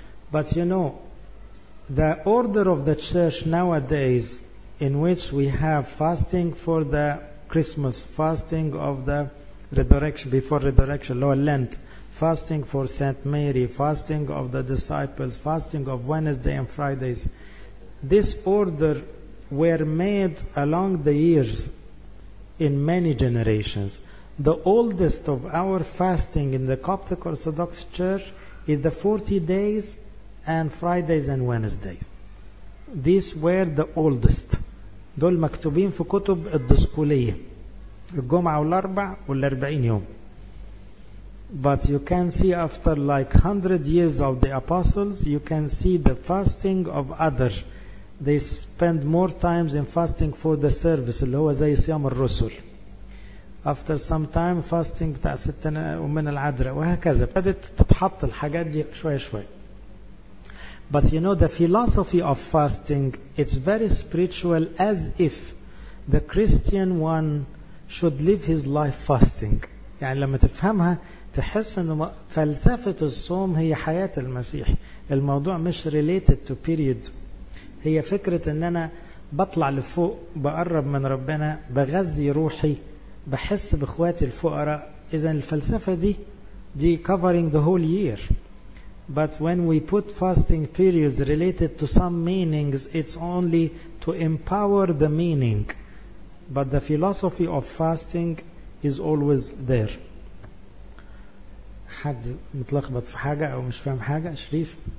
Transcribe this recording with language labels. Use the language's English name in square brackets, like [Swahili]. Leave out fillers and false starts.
[English] But you know, the order of the church nowadays, in which we have fasting for the Christmas, fasting of the resurrection, before resurrection, Lord, Lent, fasting for Saint Mary, fasting of the disciples, fasting of Wednesday and Fridays, this order were made along the years in many generations. The oldest of our fasting in the Coptic Orthodox Church is the 40 days and Fridays and Wednesdays. These were the oldest. [Arabic] دول مكتوبين في كتب الدسكولية. الجمعة والأربع والأربعين يوم. [English] But you can see after like 100 years of the apostles, you can see the fasting of others. They spend more times in fasting for the service, [Arabic] اللي هو زي صيام الرسل. [English] After some time fasting [Arabic] بتاع ستنا ومن العذراء وهكذا. بدأت تتحط الحاجات دي شوية شوية. [English] But you know the philosophy of fasting, it's very spiritual, as if the Christian one should live his life fasting. [Arabic] يعني لما تفهمها تحس ان فلسفة الصوم هي حياة المسيح. الموضوع مش [English] related to periods. [Arabic] هي فكرة ان انا بطلع لفوق, بقرب من ربنا, بغذي روحي, بحس باخواتي الفقراء. اذا الفلسفة دي [English] covering the whole year. But when we put fasting periods related to some meanings, it's only to empower the meaning. But the philosophy of fasting is always there. [Arabic] حد متلخبط في حاجة او مش فاهم حاجة؟ شريف.